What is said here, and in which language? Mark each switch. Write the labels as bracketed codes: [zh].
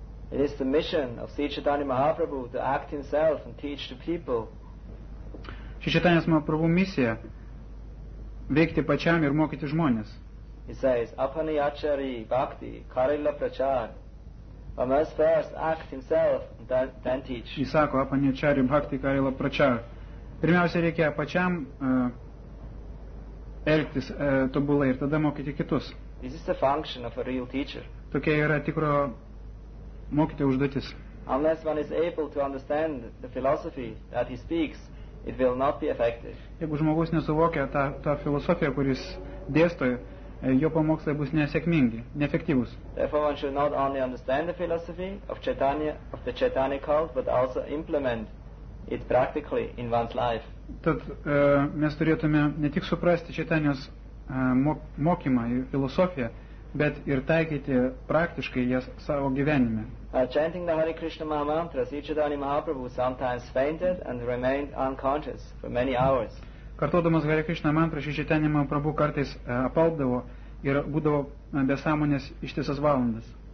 [en] It is the mission of Sri Chaitanya Mahaprabhu to act himself and teach the people. [lt] Sri Chaitanya Mahaprabhu misija veikti pačiam ir mokyti žmonės. [en] He says, [bn] apani achari bhakti karila prachar. [en] I must first act himself and then teach. [lt] Jis sako, [bn] apani achari bhakti karila prachar. [lt] Pirmiausia, reikia pačiam elgtis tobulai ir tada mokyti kitus. [en] This is the function of a real teacher. [lt] Tokia yra tikro mokyti užduotis. [en] Unless one is able to understand the philosophy that he speaks, it will not be effective. [lt] Jeigu žmogus nesuvokia tą filosofiją, kuris dėsto, jo pamokslai bus nesėkmingi, neefektyvus. [en] Therefore, one should not only understand the philosophy of the Chaitanya cult, but also implement it practically in one's life. [lt] Tad mes turėtume ne tik suprasti Čaitanijos mokymą ir filosofiją, bet ir taikyti praktiškai jas savo gyvenime. [en] Chanting the Hare Krishna Maha Mantra, Sri Chaitanya Mahaprabhu sometimes fainted and remained unconscious for many hours. [lt] Kartodamas Hare Krishna Mantra, Sri Chaitanya Mahaprabhu kartais apaldavo ir būdavo be sąmonės ištisas valandas.